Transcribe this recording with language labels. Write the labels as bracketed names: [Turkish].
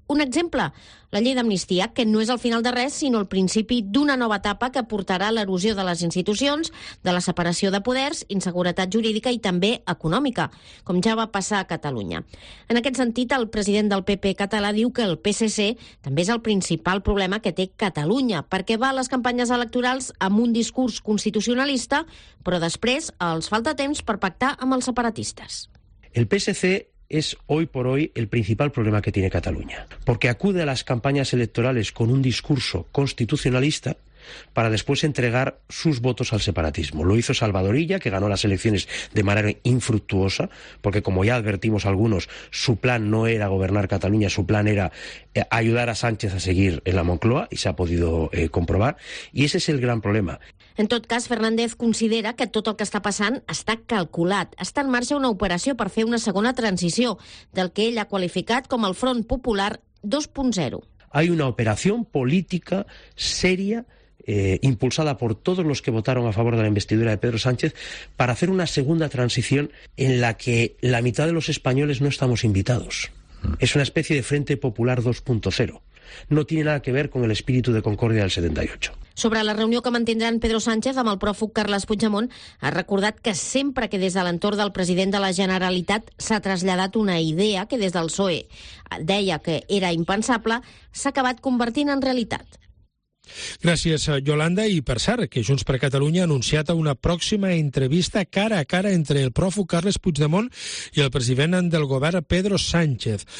[Catalan] Un exemple, la llei d'amnistia, que no és el final de res, sinó el principi d'una nova etapa que portarà l'erosió de les institucions, de la separació de poders, inseguretat jurídica i també econòmica, com ja va passar a Catalunya. En aquest sentit, el president del PP català diu que el PSC també és el principal problema que té Catalunya, perquè va a les campanyes electorals amb un discurs constitucionalista, però després els falta temps per pactar amb els separatistes. [Spanish] El PSC es hoy por hoy el principal problema que tiene Cataluña, porque acude a las campañas electorales con un discurso constitucionalista para después entregar sus votos al separatismo. Lo hizo Salvador Illa, que ganó las elecciones de manera infructuosa, porque como ya advertimos algunos, su plan no era gobernar Cataluña, su plan era ayudar a Sánchez a seguir en la Moncloa, y se ha podido comprobar, y ese es el gran problema. [Catalan] En tot cas, Fernández considera que tot el que està passant està calculat. Està en marxa una operació per fer una segona transició, del que ell ha qualificat com el Front Popular 2.0. [Spanish] Hay una operación política seria impulsada por todos los que votaron a favor de la investidura de Pedro Sánchez para hacer una segunda transición en la que la mitad de los españoles no estamos invitados. Es una especie de Frente Popular 2.0. No tiene nada que ver con el espíritu de concordia del 78. [Catalan] Sobre la reunió que mantindran Pedro Sánchez amb el pròfug Carles Puigdemont, ha recordat que sempre que des de l'entorn del president de la Generalitat s'ha traslladat una idea que des del PSOE deia que era impensable, s'ha acabat convertint en realitat. Gràcies, Yolanda, i per cert, que Junts per Catalunya ha anunciat una pròxima entrevista cara a cara entre el pròfug Carles Puigdemont i el president del govern, Pedro Sánchez.